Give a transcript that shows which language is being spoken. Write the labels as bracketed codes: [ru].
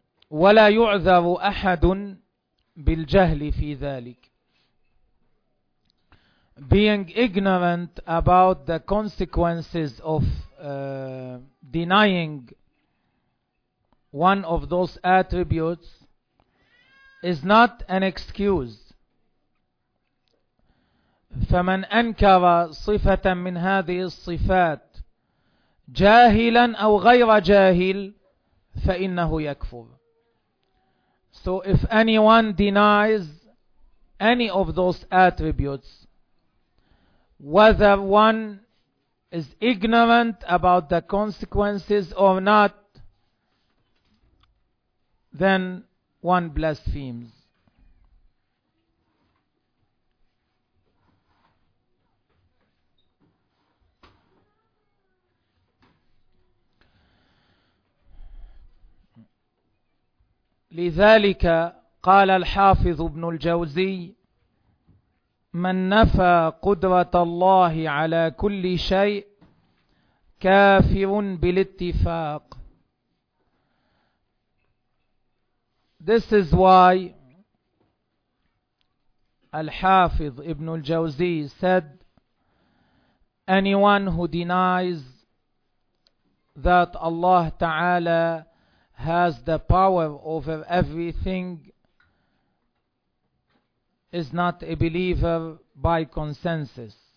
[ar] ولا يعذر أحد بالجهل في ذلك. [en] Being ignorant about the consequences of denying one of those attributes is not an excuse. [ar] فمن أنكر صفة من هذه الصفات جاهلا أو غير جاهل فإنه يكفر. [en] So if anyone denies any of those attributes, whether one is ignorant about the consequences or not, then one blasphemes. [ar] لذلك قال الحافظ ابن الجوزي من نفى قدرة الله على كل شيء كافر بالاتفاق. [en] This is why Al-Hafidh Ibn Al-Jawzi said, anyone who denies that Allah Ta'ala has the power over everything is not a believer by consensus.